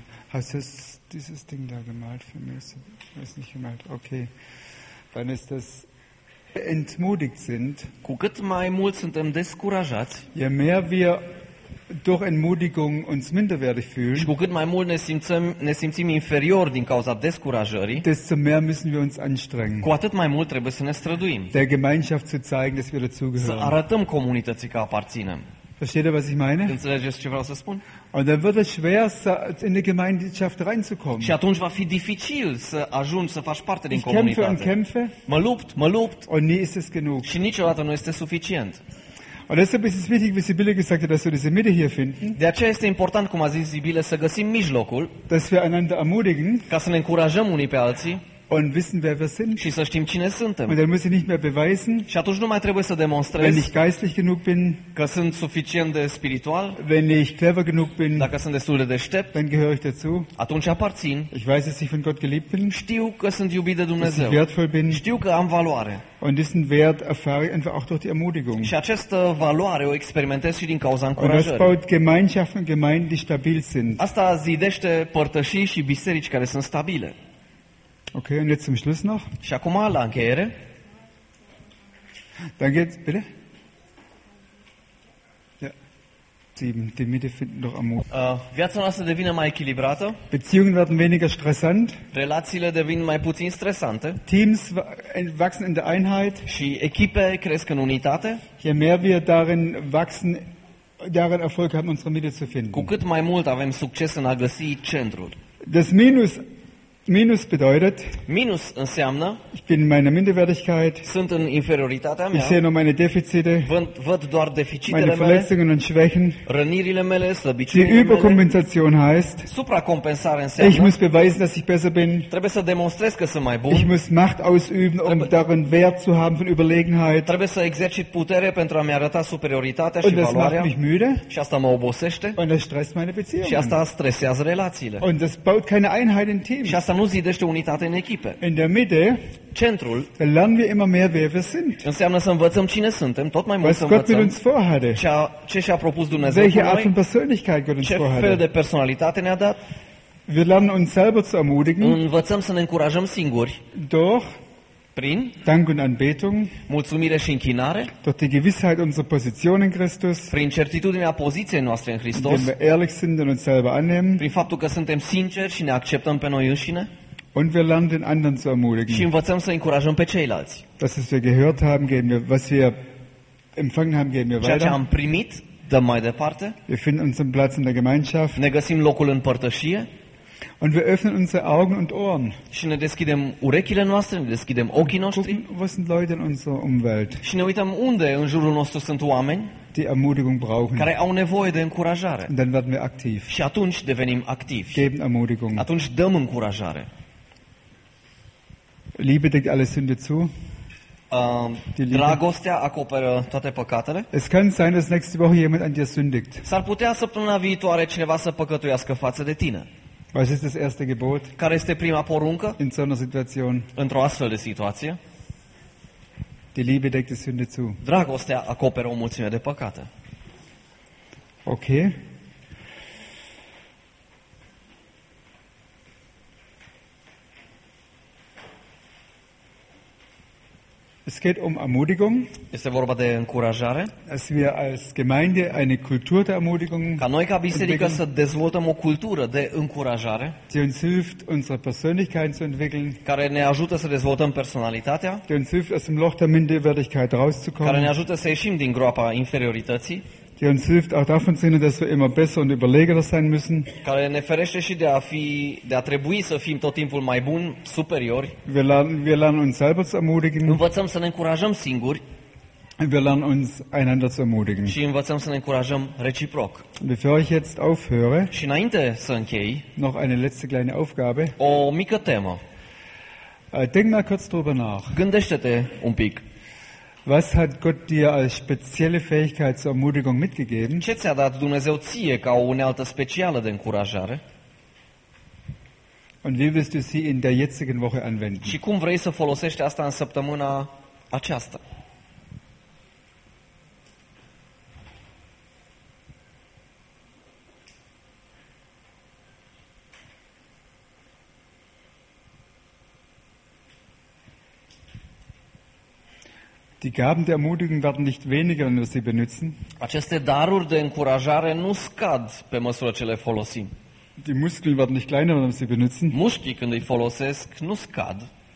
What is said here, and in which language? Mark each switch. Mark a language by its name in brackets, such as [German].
[German] Hast du dieses Ding da gemalt für mich? Ich weiß nicht gemalt. Okay. Dann ist das entmutigt sind. [Romanian] Cu cât mai mult suntem descurajați. [German] Je mehr wir durch Entmutigung uns minderwertig fühlen. [Romanian] Și cu cât mai mult ne simțim inferior din cauza descurajării. [German] Desto mehr müssen wir uns anstrengen. [Romanian] Cu atât mai mult trebuie să ne străduim. [German] Der Gemeinschaft zu zeigen, dass wir dazugehören. [Romanian] Să arătăm comunității că aparținem. [German] Versteht ihr, was ich meine? [Romanian] Înțelegeți ce vreau să spun? [German] Und dann wird es schwer, in die Gemeinschaft reinzukommen. [Romanian] Și atunci va fi dificil să ajungi să faci parte din [German] ich [Romanian] comunitate. [German] Ich kämpfe und kämpfe. [Romanian] Mă lupt. [German] Und nie ist es genug. [Romanian] Și niciodată nu este suficient. [German] Und deshalb ist es wichtig, wie Sibylle gesagt hat, dass wir diese Mitte hier finden. [Romanian] De aceea este important, cum a zis Sibylle, să găsim mijlocul. [German] Dass wir einander ermutigen. [Romanian] Ca să ne încurajăm unii pe alții. [German] Und wissen, wer wir sind. [Romanian] Și să știm cine suntem. [German] Und dann muss ich nicht mehr beweisen. [Romanian] Și atunci nu mai trebuie să demonstrez. [German] Wenn ich geistig genug bin. [Romanian] Că sunt suficient de spiritual. [German] Wenn ich clever genug bin. [Romanian] Dacă sunt destul de deștept. [German] Dann gehöre ich dazu. [Romanian] Atunci aparțin. [German] Ich weiß, dass ich von Gott geliebt bin. [Romanian] Știu că sunt iubit de Dumnezeu. [German] Dass ich wertvoll bin. [Romanian] Știu că am valoare. [German] Und diesen Wert erfahre ich einfach auch durch die Ermutigung. [Romanian] Și această valoare o experimentez și din cauza încurajării. [German] Und das baut Gemeinschaften und Gemeinden, die stabil sind. [Romanian] Asta zidește părtășii și biserici care sunt stabile. [German] Okay, und jetzt zum Schluss noch. [Romanian] Și acum la încheiere. [German] Dann geht's, bitte. Ja. Die Mitte finden doch am Mut. [Romanian] Viața noastră devine mai echilibrată. [German] Beziehungen werden weniger stressant. [Romanian] Relațiile devin mai puțin stresante. [German] Teams wachsen in der Einheit. [Romanian] Și echipe cresc în unitate. [German] Je mehr wir darin wachsen, darin Erfolg haben, unsere Mitte zu finden. [Romanian] Cu cât mai mult avem succes în a găsi centrul. [German] Das Minus bedeutet, [Romanian] minus înseamnă, [German] ich bin in meiner Minderwertigkeit, [Romanian] sunt în inferioritatea mea, [German] ich sehe nur meine Defizite, [Romanian] văd doar deficitele [German] meine Verletzungen [Romanian] mele, [German] und Schwächen, [Romanian] rănirile mele, slăbiciunile [German] die Überkompensation [Romanian] mele, [German] heißt, [Romanian] supra-compensare înseamnă, [German] ich muss beweisen, dass ich besser bin, [Romanian] trebuie să demonstrez că sunt mai bun, [German] ich muss Macht ausüben, um darin Wert zu haben von Überlegenheit, [Romanian] trebuie să exercit putere pentru a-mi arăta superioritatea și [German] und das [Romanian] valoarea, [German] macht mich müde, [Romanian] și asta mă obosește, [German] und das stresst meine Beziehungen, [Romanian] și asta stresează relațiile, [German] und das baut keine Einheit in Teams, [Romanian] și asta nu zidește unitate în echipe. [German] In der Mitte, [Romanian] centrul, [German] lernen wir immer mehr, wer wir sind. [Romanian] Înseamnă să învățăm cine suntem, tot mai mult [German] was [Romanian] să învățăm. [German] Uns vorhade, [Romanian] ce și-a propus Dumnezeu cu noi. Uns ce vorhade. Fel de personalitate ne-a dat. [German] Wir lernen uns selber zu ermutigen. [Romanian] Învățăm să ne încurajăm singuri. [German] Doch, [Romanian] Prin [German] Dank und Anbetung, [Romanian] mulțumire și închinare, [German] durch die Gewissheit unserer Position in Christus, [Romanian] prin certitudinea poziției noastre în Hristos, [German] indem wir ehrlich sind und uns selber annehmen, [Romanian] prin faptul că suntem sinceri și ne acceptăm pe noi înșine, [German] und wir lernen den anderen zu ermutigen. [Romanian] Și învățăm să încurajăm pe ceilalți. [German] Das, was wir gehört haben, geben wir, was wir empfangen haben, geben wir weiter. [Romanian] Ceea ce am primit, dăm mai departe. [German] Wir finden unseren Platz in der Gemeinschaft. [Romanian] Ne găsim locul în părtășie. [German] Und wir öffnen unsere Augen und Ohren. [Romanian] Și ne deschidem urechile noastre, ne deschidem ochii noștri. [German] Gucken, wo sind Leute in unserer Umwelt? [Romanian] Și ne uităm unde în jurul nostru sunt oameni. [German] Die Ermutigung brauchen. [Romanian] Care au nevoie de încurajare. [German] Und dann werden wir aktiv. [Romanian] Și atunci devenim activi. [German] Geben Ermutigung. [Romanian] Atunci dăm încurajare. [German] Liebe deckt alle Sünde zu. [Romanian] Dragostea acoperă toate păcatele. [German] Es kann sein, dass nächste Woche jemand an dir sündigt. [Romanian] S-ar putea săptămâna viitoare cineva să păcătuiască față de tine. [German] Was ist das erste Gebot? [Romanian] Care este prima poruncă? [German] In so einer Situation. [Romanian] Într-o astfel de situație. [German] Die Liebe deckt die Sünde zu. [Romanian] Dragostea acoperă o mulțime de păcate. [German] Okay. Es geht um Ermutigung. [Romanian] Este vorba de încurajare. [German] Dass wir als Gemeinde eine Kultur der Ermutigung. [Romanian] Ca noi ca biserică să dezvoltăm o cultură de încurajare. [German] Die uns hilft, unsere Persönlichkeit zu entwickeln. [Romanian] Care ne ajută să dezvoltăm personalitatea. [German] Die uns hilft, aus dem Loch der Minderwertigkeit rauszukommen. [Romanian] Care ne ajută să ieșim din groapa inferiorității. [German] Die uns hilft, auch davon zu sehen, dass wir immer besser und überlegener sein müssen. [Romanian] Care ne ferește și de a fi, de a trebui să fim tot timpul mai buni, superiori. [German] Wir lernen uns selber zu ermutigen. [Romanian] Învățăm să ne încurajăm singuri. [German] Wir lernen uns einander zu ermutigen. [Romanian] Și învățăm să ne încurajăm reciproc. [German] Bevor ich jetzt aufhöre, [Romanian] și înainte să închei, [German] noch eine letzte kleine Aufgabe. [Romanian] O mică temă. [German] Denk mal kurz drüber nach. [Romanian] Gândește-te un pic. [German] Was hat Gott dir als spezielle Fähigkeit zur Ermutigung mitgegeben? [Romanian] Ce ți-a dat Dumnezeu ție ca o unealtă specială de încurajare? [German] Und wie willst du sie in der jetzigen Woche anwenden? [Romanian] Și cum vrei să folosești asta în săptămâna aceasta? [German] Die Gaben der Ermutigung werden nicht weniger, wenn wir sie benutzen. [Romanian] Aceste daruri de încurajare nu scad pe măsură ce le folosim. [German] Die Muskeln werden nicht kleiner, wenn wir sie benutzen. [Romanian] Mușchii când îi folosesc nu scad.